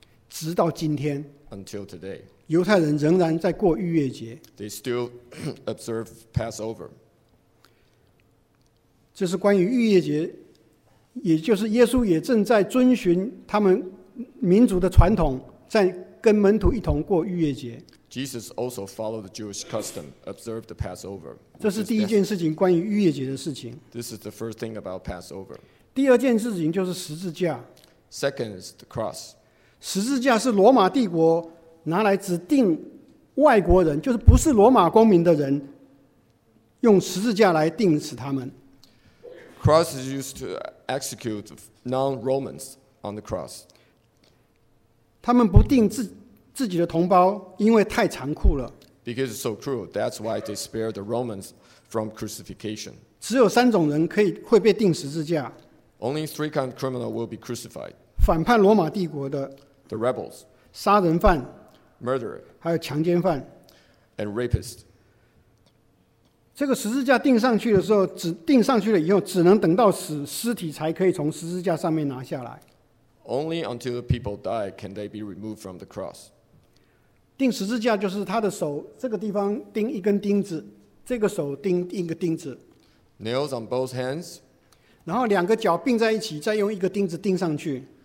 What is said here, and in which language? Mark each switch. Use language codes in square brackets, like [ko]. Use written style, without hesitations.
[zh] 直到今天。 [en] Until today. [zh] 犹太人仍然在过逾越节。 [en] They still observe Passover. [zh] 这是关于逾越节，也就是耶稣也正在遵循他们民族的传统，在跟门徒一同过逾越节。 [en] Jesus also followed the Jewish custom, observed the Passover. [zh] 这是第一件事情，关于逾越节的事情。 [en] This is the first thing about Passover. [zh] 第二件事情就是十字架。 [en] Second is the cross. [zh] 十字架是罗马帝国拿来指定外国人，就是不是罗马公民的人，用十字架来定死他们。 [en] Cross is used to execute non-Romans on the cross. [zh] 他们不定自己的同胞，因为太残酷了。 [en] Because it's so cruel, that's why they spared the Romans from crucifixion. [zh] 只有三种人可以会被钉十字架。 [en] Only three kinds of criminal will be crucified. [zh] 反叛罗马帝国的。 [en] The rebels. [zh] 杀人犯。 [en] Murderer. [zh] 还有强奸犯。 [en] And rapist. [zh] 这个十字架钉上去的时候，只钉上去了以后，只能等到死，尸体才可以从十字架上面拿下来。 [en] Only until the people die can they be removed from the cross. [zh] 钉十字架就是他的手，这个地方钉一根钉子，这个手钉一个钉子。 [en] Nails on both hands. [zh] 然后两个脚并在一起，再用一个钉子钉上去。